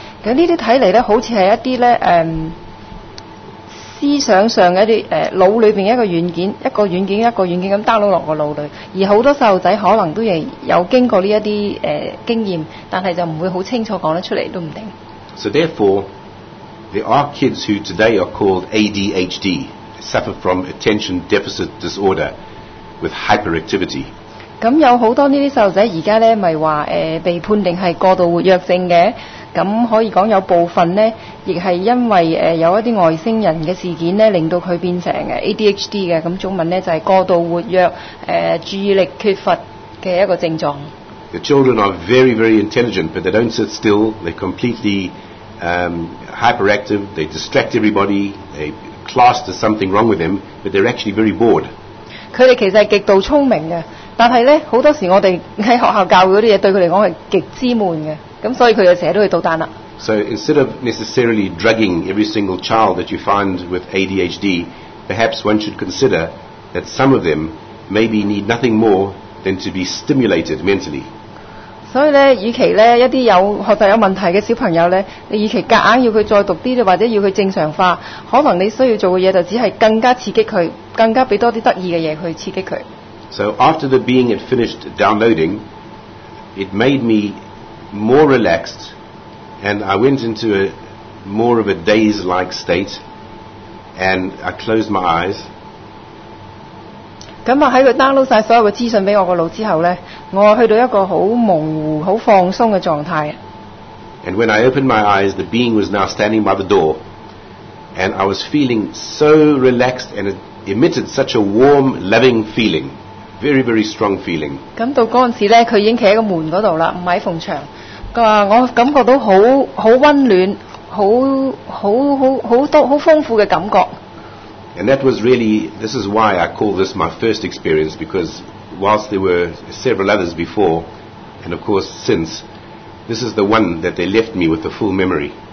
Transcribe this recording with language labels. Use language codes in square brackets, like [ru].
[yue] 咁呢啲睇嚟咧，好似係一啲咧思想上嘅一啲腦裏邊一個軟件，一個軟件一個軟件咁 download 落個腦裏。而好多細路仔可能都係有經過呢一啲經驗，但係就唔會好清楚講得出嚟都唔定。 [en] So therefore, there are kids who today are called ADHD. Suffer from attention deficit disorder with hyperactivity. [yue] 咁有好多呢啲細路仔而家咧，咪話被判定係過度活躍症嘅。咁可以講有部分呢亦係因為有一啲外星人嘅事件呢令到佢變成 ADHD 嘅，咁中文呢就係過度活躍注意力缺乏嘅一個症狀。 [en] The children are very, very intelligent, but they don't sit still. They're completely hyperactive. They distract everybody. They class there's something wrong with them, but they're actually very bored. [yue] 佢哋其實係極度聰明嘅，但係咧好多時我哋喺學校教嗰啲嘢對佢嚟講係極之悶嘅，咁所以佢就成日都去捣蛋啦。 So instead of necessarily drugging every single child that you find with ADHD, perhaps one should consider that some of them maybe need nothing more. Than to be stimulated mentally. 所以咧，與其咧一啲有學習有問題嘅小朋友咧，你與其夾硬要佢再讀啲，或者要佢正常化，可能你需要做嘅嘢就只係更加刺激佢，更加俾多啲得意嘅嘢去刺激佢。 [en] So after the being had finished downloading, it made me more relaxed, and I went into a more of a daze-like state, and I closed my eyes. [yue] 咁啊，喺佢 download 曬所有嘅資訊俾我個腦之後咧，我去到一個好模糊、好放鬆嘅狀態。 [en] And when I opened my eyes, the being was now standing by the door, and I was feeling so relaxed, and it emitted such a warm, loving feeling, very, very strong feeling. [yue] 咁到嗰陣時咧，佢已經企喺個門嗰度啦，唔喺縫牆。佢話我感覺到好好温暖，好豐富嘅感覺。 [en] And that was really, this is why I call this my first experience, because whilst there were several others before, and of course since, this is the one that they left me with the full memory.